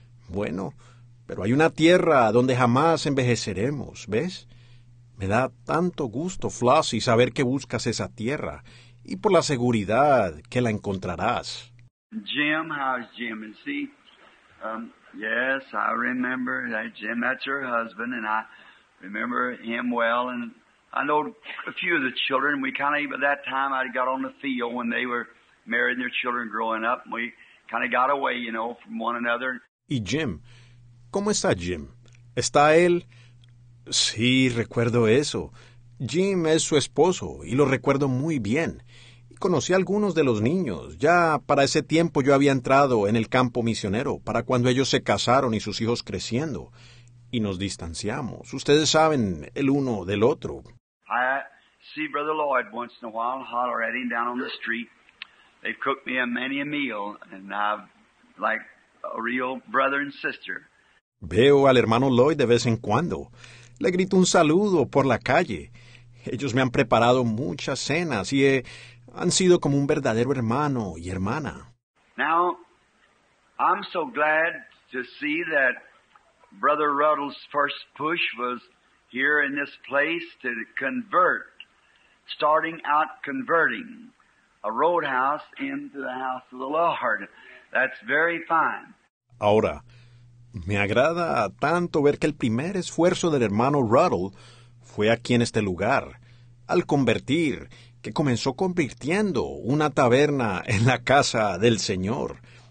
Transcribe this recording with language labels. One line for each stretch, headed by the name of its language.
Spanish: Bueno, pero hay una tierra donde jamás envejeceremos, ¿ves? Me da tanto gusto, Flossie, saber que buscas esa tierra y por la seguridad que la encontrarás.
English: Jim, how's Jim? And see, yes, I remember that Jim, that's her husband, and I remember him well, and I know a few of the children. We kind of, by that time, I got on the field when they were marrying their children growing up, and we kind of got away, you know, from one another.
Spanish: ¿Y Jim? ¿Cómo está Jim? ¿Está él? Sí, recuerdo eso. Jim es su esposo, y lo recuerdo muy bien. Conocí a algunos de los niños. Ya para ese tiempo yo había entrado en el campo misionero, para cuando ellos se casaron y sus hijos creciendo. Y nos distanciamos. Ustedes saben el uno del otro.
English: I see Brother Lloyd once in a while, hollering down on the street. They've cooked me many a meal, and I've like... A real brother and sister.
Spanish: Veo al hermano Lloyd de vez en cuando. Le grito un saludo por la calle. Ellos me han preparado muchas cenas y han sido como un verdadero hermano y hermana.
English: Now, I'm so glad to see that Brother Ruddle's first push was here in this place to convert, starting out converting a roadhouse into the house of the Lord. That's very fine.
Spanish: Ahora, me agrada tanto ver que el primer esfuerzo del hermano Ruddle fue aquí en este lugar, al convertir, que comenzó convirtiendo una taberna en la casa del Señor.